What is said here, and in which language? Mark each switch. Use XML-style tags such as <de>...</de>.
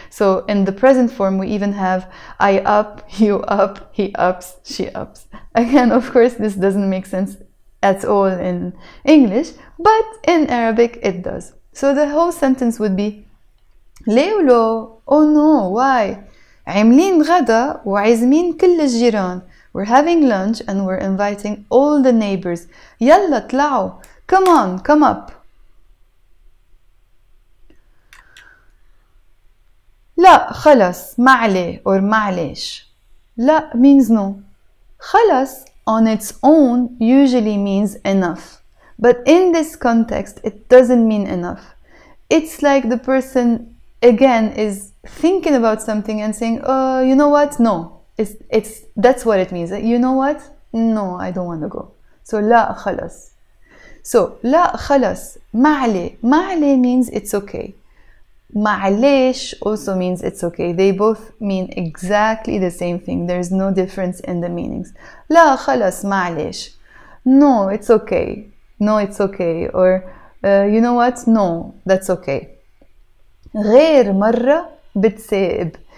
<en>So in the present form, we even have I up, you up, he ups, she ups. Again, of course, this doesn't make sense at all in English, but in Arabic it does. So the whole sentence would be</en> <ar>ليه ولو؟</ar> <en>Oh no, why?</en> <ar>عاملين غدا وعزمين كل الجيران.</ar> <en>We're having lunch and we're inviting all the neighbors.</en> <ar>يلا طلعوا.</ar> <en>Come on, come up.</en> <ar>لا خلاص ما عليه or ما عليش.</ar> <en>لا means no. خلاص on its own usually means enough. But in this context, it doesn't mean enough. It's like the person again is thinking about something and saying, you know what? No. That's what it means. You know what? No, I don't want to go.</en> <ar>So لا خلاص. So لا خلاص ما عليه.</ar> <en>ما عليه means it's okay. معليش also means it's okay. They both mean exactly the same thing. There's no difference in the meanings.</en> <ar>لا خلاص معليش.</ar> <en>No, it's okay. No, it's okay. Or you know what? No, that's okay.</en> <ar>غير مرة بتسيب.</ar>